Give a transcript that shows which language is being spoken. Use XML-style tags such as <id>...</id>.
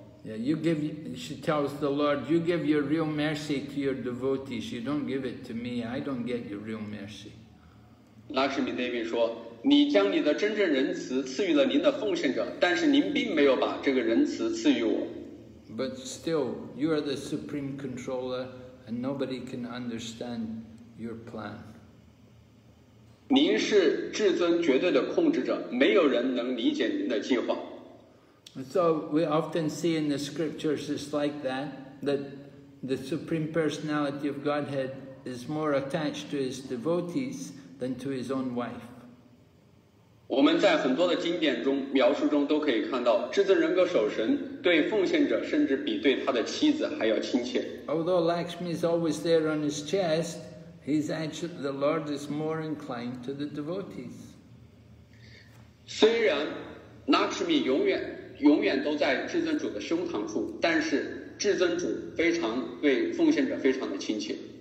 <en>Yeah, you give, she tells the Lord, you give your real mercy to your devotees, you don't give it to me, I don't get your real mercy.</en> <zh>Lakshmi Devi 说，你将你的真正仁慈赐予了您的奉献者，但是您并没有把这个仁慈赐予我。</zh> <en>But still, you are the supreme controller and nobody can understand your plan.</en> <zh>您是至尊绝对的控制者，没有人能理解您的计划。</zh> <en>So we often see in the scriptures it's like that the Supreme Personality of Godhead is more attached to his devotees than to his own wife.</en> <zh>我们在很多的经典中描述中都可以看到，至尊人格守神对奉献者甚至比对他的妻子还要亲切。</zh> <en>Although Lakshmi is always there on his chest,The Lord is more inclined to the devotees.</en> <zh>虽然 Lakshmi 永远都在至尊主的胸膛处，但是至尊主非常对奉献者非常的亲切。</zh>